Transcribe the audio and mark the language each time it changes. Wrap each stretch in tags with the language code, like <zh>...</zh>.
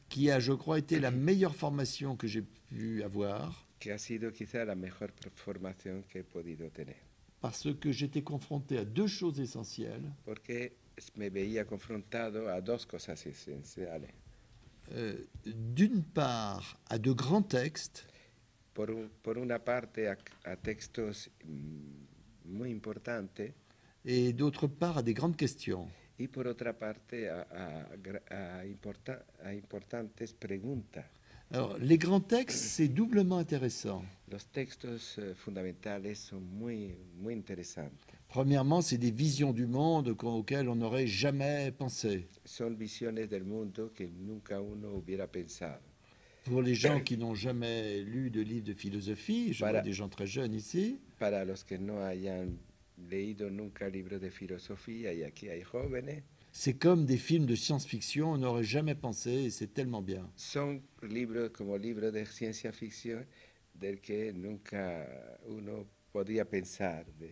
<fr>Qui a, je crois, été la meilleure formation que j'ai pu avoir.</fr> <es>Que ha sido quizá la mejor formación que he podido tener.</es> <fr>Parce que j'étais confronté à deux choses essentielles.</fr> <es>Porque me veía confrontado a dos cosas esenciales.</es> <fr>D'une part, à de grands textes.</fr> <es>Por una parte a textos muy importantes.</es> <fr>Et d'autre part à des grandes questions.</fr> <es>Y por otra parte a importantes preguntas.</es> <fr>Alors, les grands textes, c'est doublement intéressant.</fr> <es>Los textos fundamentales son muy, muy interesantes.</es> <fr>Premièrement, c'est des visions du monde auxquelles on n'aurait jamais pensé.</fr> <es>Son visiones del mundo que nunca uno hubiera pensado.</es> <fr>Pour les gens qui n'ont jamais lu de livre de philosophie, je vois des gens très jeunes ici.</fr> <es>Para los que no hayan leído nunca libro de filosofía y aquí hay jóvenes.</es> <fr>C'est comme des films de science-fiction, on n'aurait jamais pensé, et c'est tellement bien.</fr> <es>Son libros como libros de ciencia ficción del que nunca uno podía pensar.</es>